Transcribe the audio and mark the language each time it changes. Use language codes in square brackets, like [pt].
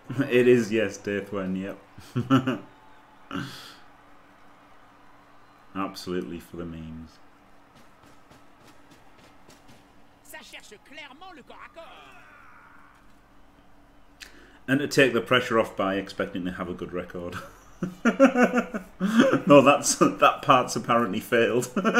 [en] It is, yes, Deathwen, yep. Absolutely for the memes. [fr] Ça cherche clairement le corps à corps. [en] And to take the pressure off by expecting to have a good record. No, that's that part's apparently failed.